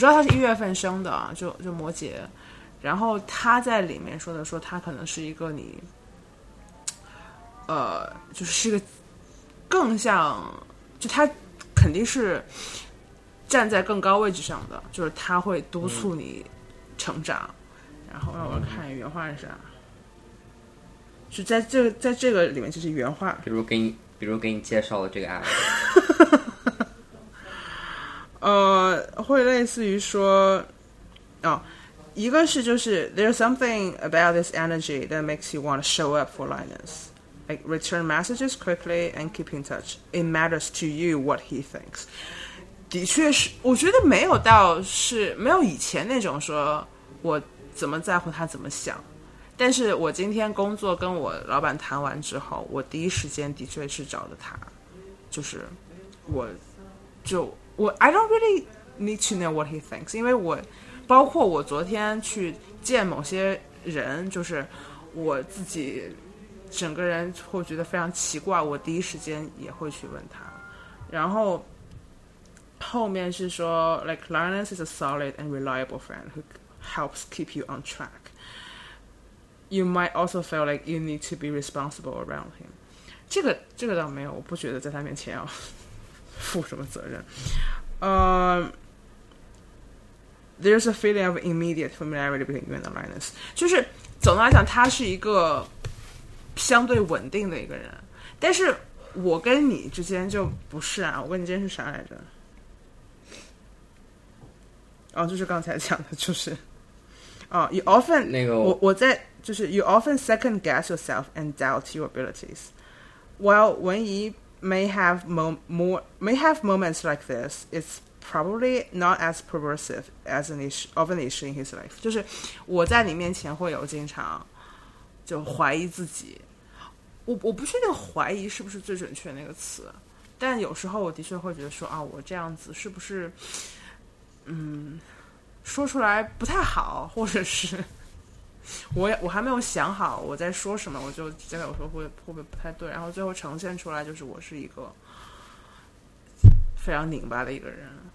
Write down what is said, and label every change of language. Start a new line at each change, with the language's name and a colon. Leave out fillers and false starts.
Chinese: 我知道他是一月份生的，就摩羯。然后他在里面说的说他可能是一个你就是一个更像就他肯定是站在更高位置上的，就是他会督促你成长、嗯、然后让我看原话是啥，是在这个里面就是原话，比如给你介绍了这个案子会类似于说一个是就是
English: There's something about this energy that makes you want to show up for Linus. Like return messages quickly and keep in touch. It matters to you what he thinks.
Chinese: 的确是，我觉得没有到是没有以前那种说我怎么在乎他怎么想，但是我今天工作跟我老板谈完之后，我第一时间的确是找了他，就是我就我
English: I don't really need to know what he thinks，
Chinese: 因为我包括我昨天去见某些人，就是我自己整个人会觉得非常奇怪，我第一时间也会去问他。然后后面是说
English: like Linus is a solid and reliable friend who helps keep you on track. You might also feel like you need to be responsible around him.
Chinese: 这个倒没有，我不觉得在他面前要负什么责任。
English: There's a feeling of immediate familiarity between you and Linus.
Chinese: 就是总的来讲他是一个相对稳定的一个人，但是我跟你之间就不是啊。我跟你之间是啥来着？哦，就是刚才讲的，就是哦
English: you often
Chinese: 那个我在就是
English: you often second guess yourself and doubt your abilities. While 文怡 may have moments like this, it's probably not as perversive as an issue in his life.
Chinese: 就是我在你面前会有经常就怀疑自己。我不确定怀疑是不是最准确的那个词，但有时候我的确会觉得说啊，我这样子是不是说出来不太好，或者是我还没有想好我在说什么，我就觉得有时候会不会不太对，然后最后呈现出来就是我是一个非常拧巴的一个人。